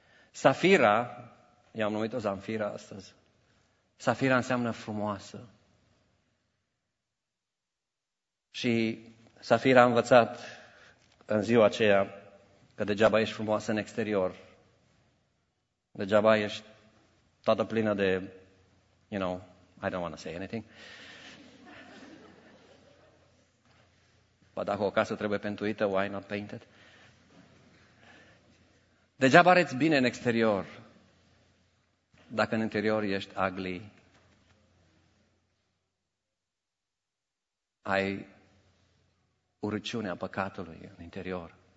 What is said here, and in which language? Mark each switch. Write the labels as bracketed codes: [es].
[ro] Safira, i-am numit-o Zamfira astăzi, Safira înseamnă frumoasă. Și Safira a învățat în ziua aceea că degeaba ești frumoasă în exterior. Degeaba ești toată plină de, [en] you know, I don't want to say anything. [ro] Bă, dacă o casă trebuie pentuită, [en] why not painted? [ro] Degeaba arăți bine în exterior, dacă în interior ești ugly. Ai urăciunea păcatului în interior.